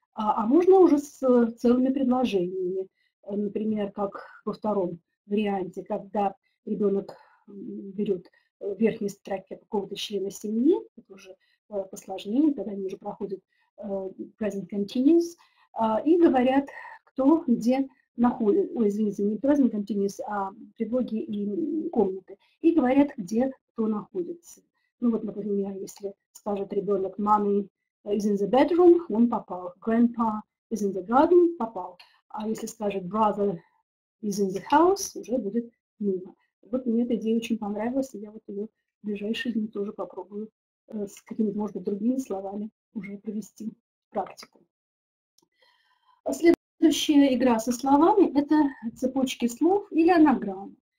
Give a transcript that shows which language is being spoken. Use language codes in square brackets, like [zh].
[ru] А можно уже с целыми предложениями. Например, как во втором варианте, когда ребенок берет верхние строки какого-то члена семьи, это уже посложнее, тогда они уже проходят present continuous, и говорят, кто где находит, ой, извините, не present continuous, а предлоги и комнаты, и говорят, где кто находится. Ну вот, например, если скажет ребенок, [en] mommy is in the bedroom, [ru] он попал. [en] Grandpa is in the garden, [ru] попал. А если скажет, [en] brother is in the house, [ru] уже будет мимо. Вот мне эта идея очень понравилась, и я вот ее в ближайшие дни тоже попробую с какими-то, может быть, другими словами уже провести практику. Следующая игра со словами – это цепочки слов или анаграммы.